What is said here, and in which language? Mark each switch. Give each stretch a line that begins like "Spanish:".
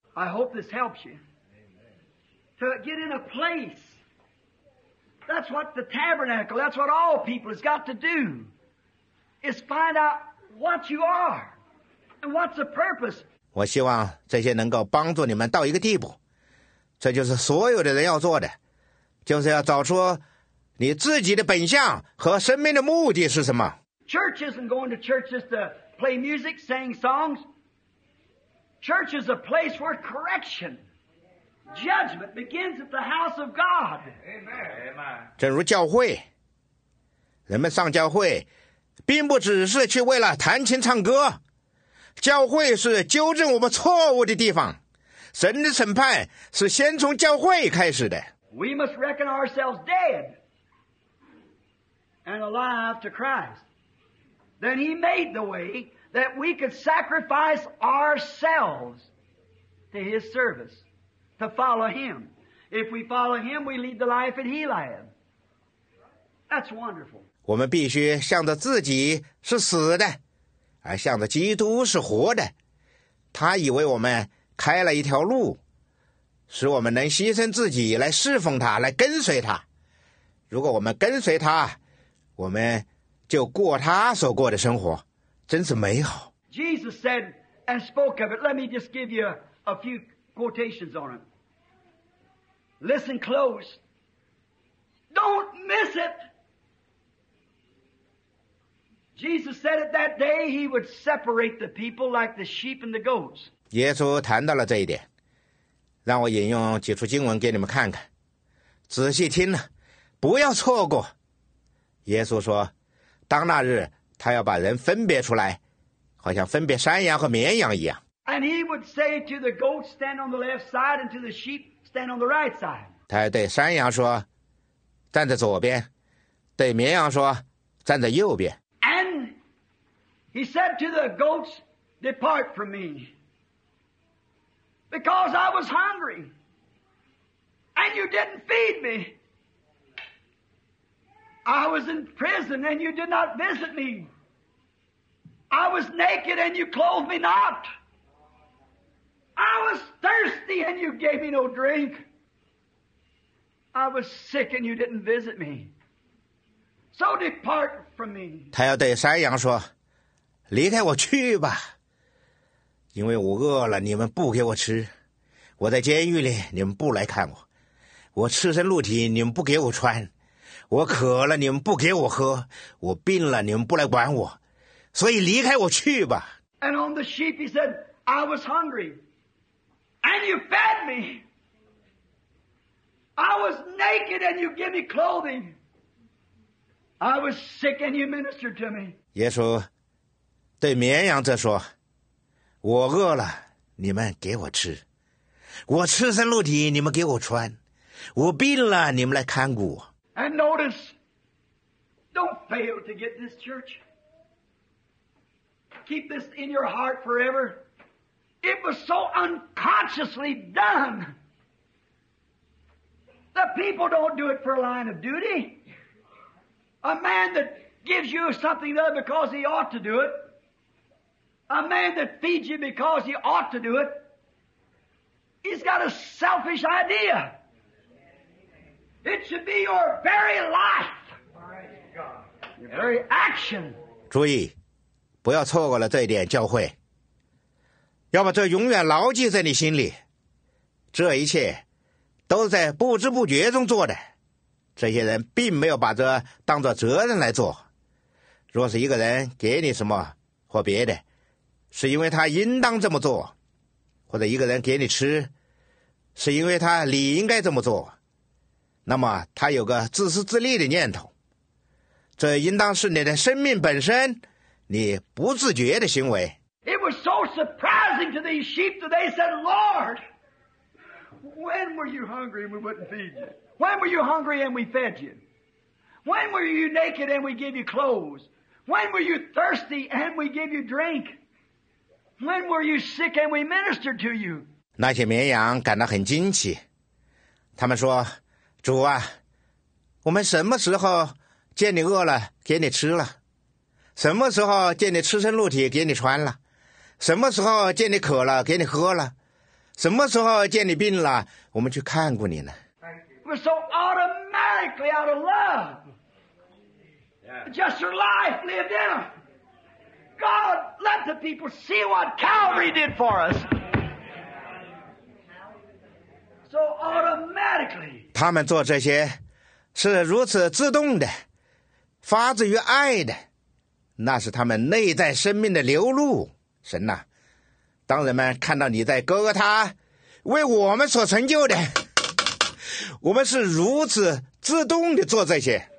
English: I hope this helps you to get in a place. That's what the tabernacle, that's what all people has got to do, is find out what you are and what's the purpose.
Chinese: 我希望这些能够帮助你们到一个地步，这就是所有的人要做的，就是要找出你自己的本相和生命的目的是什么。
English: Church isn't going to church just to play music, sing songs. Church is a place where correction, judgment begins at the house of God. Amen.
Chinese: 正如教会，人们上教会，并不只是去为了弹琴唱歌。教会是纠正我们错误的地方。神的审判是先从教会开始的。
English: We must reckon ourselves dead and alive to Christ. Then he made the way that we could sacrifice ourselves to his service, to follow him. If we follow him, we lead the life that he led. That's wonderful.
Chinese: 我们必须向着自己是死的，而向着基督是活的。他以为我们开了一条路，使我们能牺牲自己来侍奉他，来跟随他。如果我们跟随他，我们就过他所过的生活，真是美好。
English: Jesus said and spoke of it. Let me just give you a few quotations on it. Listen close. Don't miss it. Jesus said it that day he would separate the people like the sheep and the goats.
Chinese: 耶稣谈到了这一点，让我引用几处经文给你们看看，仔细听了，不要错过。耶稣说。当那日他要把人分别出来，好像分别山羊和绵羊一样。
English: And he would say to the goats, stand on the left side, and to the sheep, stand on the right side.
Chinese: 他要对山羊说，站在左边，对绵羊说，站在右边。
English: And he said to the goats, depart from me, because I was hungry, and you didn't feed me. I was in prison and you did not visit me. I was naked and you clothed me not. I was thirsty and you gave me no drink. I was sick and you didn't visit me. So depart from me.
Chinese: 他要对山羊说，离开我去吧，因为我饿了，你们不给我吃。我在监狱里，你们不来看我。我赤身露体，你们不给我穿。我渴了，你们不给我喝；我病了，你们不来管我，所以离开我去吧。
English: And on the sheep, he said, I was hungry. And you fed me. I was naked and you gave me clothing. I was sick and you ministered to me.
Chinese: 耶稣对绵羊则说，我饿了，你们给我吃。我赤身露体，你们给我穿。我病了，你们来看顾我。
English: And notice, don't fail to get this church. Keep this in your heart forever. It was so unconsciously done. The people don't do it for a line of duty. A man that gives you something there because he ought to do it. A man that feeds you because he ought to do it. He's got a selfish idea. It should be your very life. Your very action.
Chinese: 注意，不要错过了这一点教诲。要把这永远牢记在你心里。这一切都是在不知不觉中做的。这些人并没有把这当作责任来做。若是一个人给你什么或别的，是因为他应当这么做，或者一个人给你吃，是因为他理应该这么做，那么他有个自私自利的念头。这应当是你的生命本身，你不自觉的行为。
English: It was so surprising to these sheep that they said, Lord, when were you hungry and we wouldn't feed you? When were you hungry and we fed you? When were you naked and we gave you clothes? When were you thirsty and we gave you drink? When were you sick and we ministered to you?
Chinese: 那些绵羊感到很惊奇，他们说，主啊，我们什么时候见你饿了给你吃了？什么时候见你赤身露体给你穿了？什么时候见你渴了给你喝了？什么时候见你病了我们去看过你呢？
English: We're so automatically out of love. Just your life lived in them. God, let the people see what Calvary did for us. So automatically.
Chinese: 他们做这些是如此自动的，发自于爱的，那是他们内在生命的流露。神呐、啊，当人们看到你在哥哥他为我们所成就的，我们是如此自动的做这些。